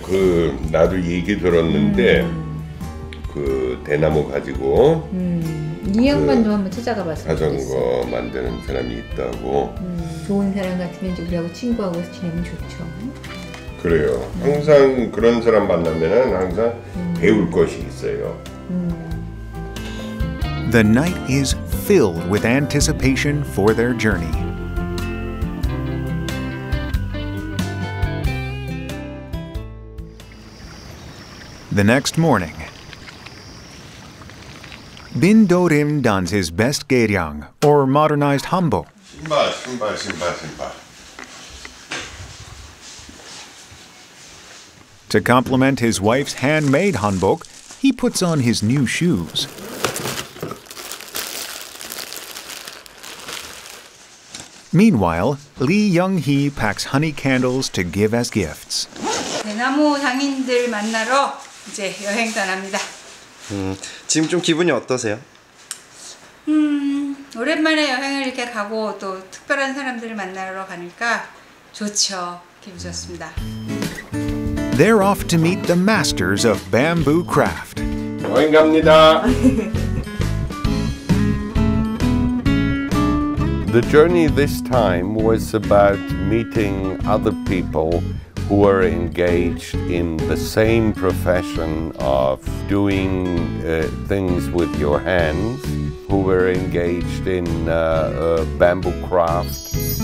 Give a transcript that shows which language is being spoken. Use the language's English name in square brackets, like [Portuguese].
[Korean] 그 나도 얘기 들었는데 그 대나무 가지고 이 양반도 그 한번 찾아가 봐서 자전거 만드는 사람이 있다고 좋은 사람 같으면 이제 우리하고 친구하고 지내면 좋죠. 그래요. 항상 그런 사람 만나면은 항상 배울 것이 있어요. [English] The night is filled with anticipation for their journey. The next morning, Bin Do-rim dons his best gaeryeong, or modernized hanbok. [Korean] 신발, 신발, 신발, 신발. [English] To complement his wife's handmade hanbok, he puts on his new shoes. Meanwhile, Lee Yeong-hee packs honey candles to give as gifts. [Korean] 대나무 상인들 만나러 이제 여행 떠납니다. 지금 좀 기분이 어떠세요? 오랜만에 여행을 이렇게 가고 또 특별한 사람들을 만나러 가니까 좋죠. 기분 좋습니다. [English] They're off to meet the masters of bamboo craft. [Korean] 여행 갑니다. [English] The journey this time was about meeting other people who are engaged in the same profession of doing things with your hands, who were engaged in bamboo craft.